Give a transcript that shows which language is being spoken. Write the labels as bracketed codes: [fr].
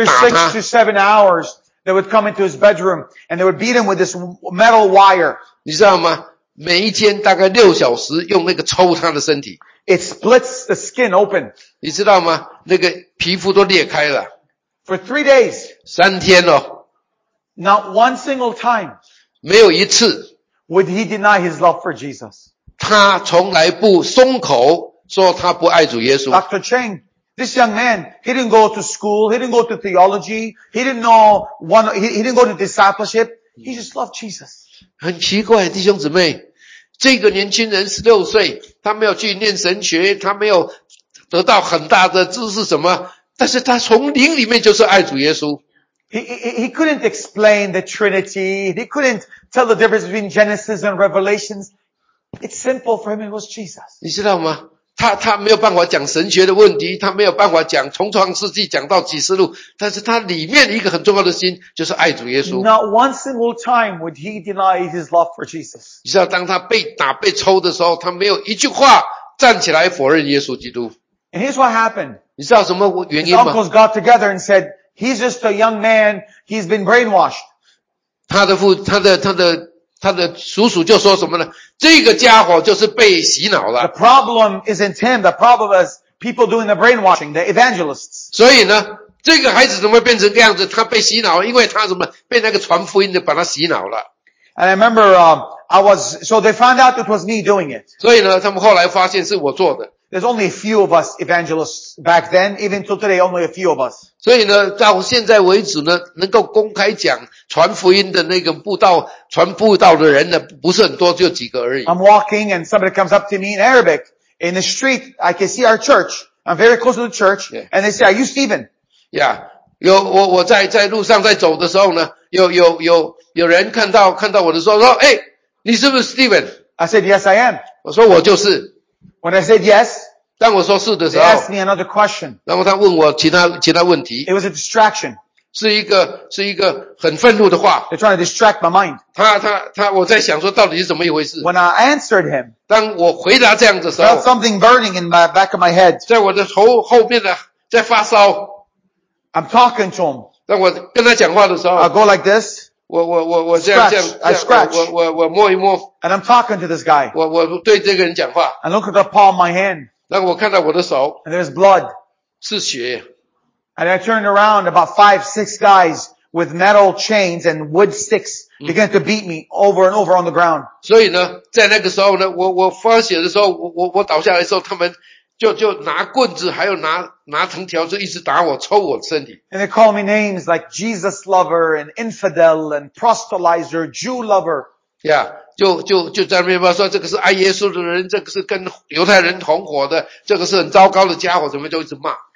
[en] every 6 to 7 hours, they would come into his bedroom and they would beat him with this metal wire. [zh] 你知道吗? 每一天大概6小时, 用那个抽他的身体, [en] it splits the skin open. [zh] 你知道吗?那个皮肤都裂开了, [en] for 3 days. [zh] 三天哦, [en] not one single time, [zh] 没有一次, [en] would he deny his love for Jesus. [zh] 他从来不松口说他不爱主耶稣。 [en] Dr. Cheng, this young man, he didn't go to school, he didn't go to theology, he didn't know one, he didn't go to discipleship, he just loved Jesus. [zh] 很奇怪, 弟兄姊妹, 这个年轻人16岁, 他没有去念神学, 他没有得到很大的知识什么, 但是他从灵里面就是爱主耶稣。 [en] He couldn't explain the Trinity, he couldn't tell the difference between Genesis and Revelations. It's simple for him, it was Jesus. [zh] 你知道吗? 他没有办法讲神学的问题, 他没有办法讲从创世纪讲到启示录, 但是他里面一个很重要的心, 就是爱主耶稣。 [en] Not one single time would he deny his love for Jesus. [zh] 你知道当他被打被抽的时候, 他没有一句话站起来否认耶稣基督。 [en] And here's what happened. [zh] 你知道什么原因吗? [en] His uncles got together and said, he's just a young man, he's been brainwashed. [zh] 他的叔叔就说什么呢? 这个家伙就是被洗脑了。 [en] The problem isn't him, the problem is people doing the brainwashing, the evangelists. [zh] 所以呢, 这个孩子怎么会变成这样子?他被洗脑了, 因为他怎么, 被那个传福音的把他洗脑了。 [en] And I remember, so they found out it was me doing it. [zh] 所以呢, 他们后来发现是我做的。 [en] There's only a few of us evangelists back then, even till today, only a few of us. [zh] 所以呢, 到现在为止呢, 能够公开讲传福音的那个布道, 传布道的人呢, 不是很多, 就几个而已。 [en] I'm walking and somebody comes up to me in Arabic, in the street, I can see our church, I'm very close to the church, yeah. And they say, are you Stephen? [zh] Yeah, 我在路上在走的时候呢, 有人看到我的时候说, 诶, 你是不是 Stephen? [en] I said, yes, I am. [zh] 我说我就是。 [en] When I said yes, [zh] 当我说是的时候, [en] they asked me another question. [zh] 然后他问我其他问题, [en] it was a distraction. [zh] 是一个很愤怒的话, [en] they're trying to distract my mind. [zh] 我在想说到底是怎么一回事。 [en] When I answered him, [zh] 当我回答这样的时候, [en] felt something burning in the back of my head. [zh] 在我的头后面的, 在发烧, [en] I'm talking to him. [zh] 当我跟他讲话的时候, [en] I go like this. [zh] 我这样, [en] I scratch. [zh] 然后 [en] I'm talking to this guy. [zh] 我对这个人讲话. [en] I look at the palm of my hand. [zh] 然后我看到我的手. [en] And there's blood. [zh] 是血. [en] And I turned around, about 5-6 guys with metal chains and wood sticks began to beat me over and over on the ground. [zh] 所以呢, 在那个时候呢, 我发血的时候,我倒下来的时候, 他们就拿棍子,还有拿藤条就一直打我,抽我身体。 [en] And they call me names like Jesus lover and infidel and proselytizer, Jew lover. [zh] Yeah, 就在那边说这个是爱耶稣的人,这个是跟犹太人同伙的,这个是很糟糕的家伙,怎么就一直骂。